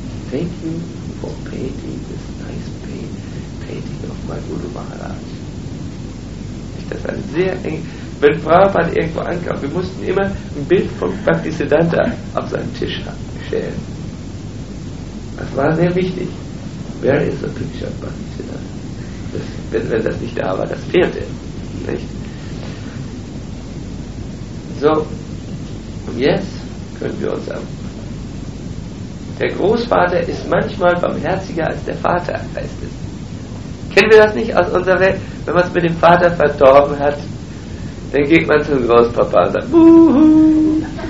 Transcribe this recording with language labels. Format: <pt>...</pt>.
<en>Thank you for painting this nice painting of my Guru Maharaj.</en> <de>Das war sehr eng. Wenn Prabhupada irgendwo ankam, wir mussten immer ein Bild von Bhaktisiddhanta auf seinem Tisch stellen. Das war sehr wichtig.</de> <en>Where is the picture of Bhaktisiddhanta?</en> <de>Wenn das nicht da war, das fehlte. Nicht? So, und jetzt können wir uns an. Der Großvater ist manchmal barmherziger als der Vater, heißt es. Kennen wir das nicht aus unserer Welt? Wenn man es mit dem Vater verdorben hat, dann geht man zum Großpapa und sagt, wuhu,</de>